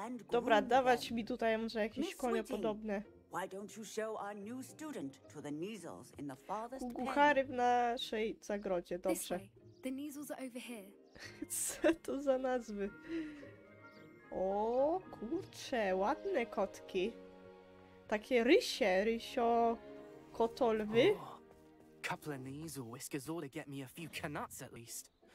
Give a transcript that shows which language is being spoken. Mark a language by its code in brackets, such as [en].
[pl] Dobra, dawać mi tutaj może jakieś konie podobne. [en] Why don't you show our new student to the Neasels in the farthest pen? [pl] Kuchary w naszej zagrodzie, dobrze. [en] The Neasels are over here. [pl] Co to za nazwy? O kurcze, ładne kotki. Takie rysie, rysio kotolwy. [en] Oh, couple of Neasel whiskers ought to get me a few canuts at least.